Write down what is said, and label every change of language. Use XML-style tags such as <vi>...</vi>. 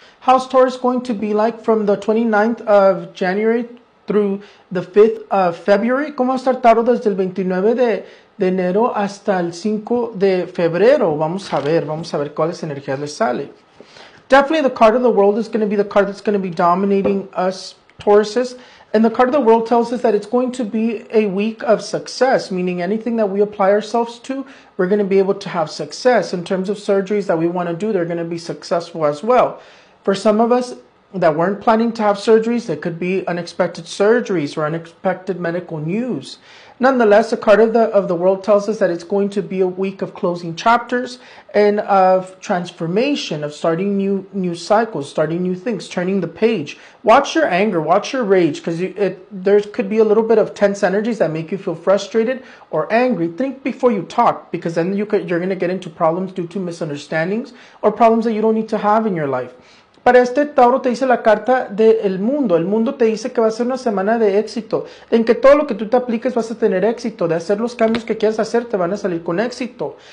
<en>house tour is going to be like from the 29th of January through the 5th of February.</en> <es>¿Cómo va a estar Taro desde el 29 de enero hasta el 5 de febrero? Vamos a ver cuáles energías les sale.</es> <en>Definitely the card of the world is going to be the card that's going to be dominating us Tauruses. And the card of the world tells us that it's going to be a week of success, meaning anything that we apply ourselves to, we're going to be able to have success. In terms of surgeries that we want to do, they're going to be successful as well. For some of us that weren't planning to have surgeries, there could be unexpected surgeries or unexpected medical news. Nonetheless, the card of the world tells us that it's going to be a week of closing chapters and of transformation, of starting new cycles, starting new things, turning the page. Watch your anger, watch your rage, because there could be a little bit of tense energies that make you feel frustrated or angry. Think before you talk, because then you're going to get into problems due to misunderstandings or problems that you don't need to have in your life.</en> <es>Para este Tauro te dice la carta del mundo. El mundo te dice que va a ser una semana de éxito, en que todo lo que tú te apliques vas a tener éxito, de hacer los cambios que quieras hacer te van a salir con éxito.</es>